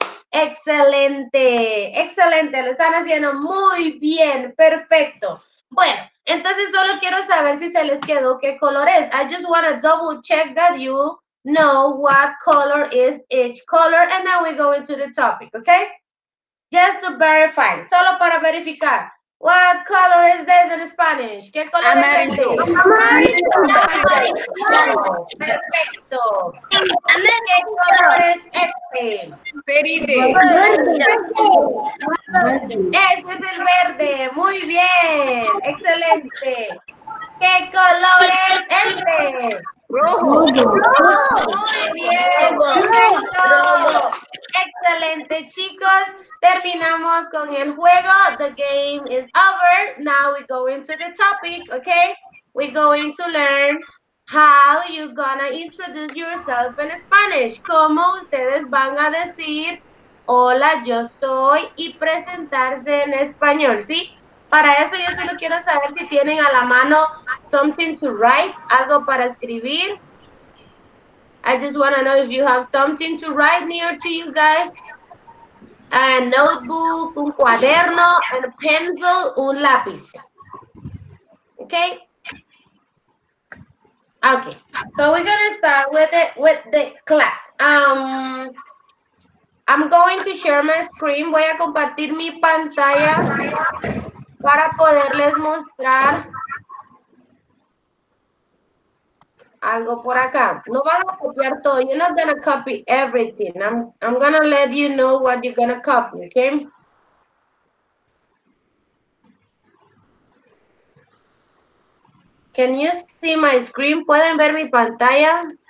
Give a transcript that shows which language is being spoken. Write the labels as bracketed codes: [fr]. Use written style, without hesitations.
[es] Excelente, excelente, lo están haciendo muy bien, perfecto. Bueno, entonces solo quiero saber si se les quedó qué color es. [en] I just want to double check that you know what color is each color and then we go into the topic, okay? Just to verify, [es] solo para verificar. [en] What color is this in Spanish? [es] ¿Qué color amarillo. Es este? Amarillo. Amarillo. Perfecto. Amarillo. ¿Qué color es este? Verde. Este es el verde. Muy bien. Excelente. ¿Qué color es este? Rojo. Muy bien. Perfecto. Excelente, chicos. Terminamos con el juego. [en] The game is over. Now we go into the topic, okay? We're going to learn how you're gonna introduce yourself in Spanish. [es] ¿Cómo ustedes van a decir hola, yo soy y presentarse en español, sí? Para eso yo solo quiero saber si tienen a la mano [en] something to write, [es] algo para escribir. [en] I just want to know if you have something to write near to you guys. A notebook, [es] un cuaderno, [en] a pencil, [es] un lápiz. [en] Okay? Okay. So we're going to start with the class. I'm going to share my screen. [es] Voy a compartir mi pantalla para poderles mostrar algo por acá. No van a copiar todo. [en] You're not going to copy everything. I'm going to let you know what you're going to copy, okay? Can you see my screen? [es] ¿Pueden ver mi pantalla?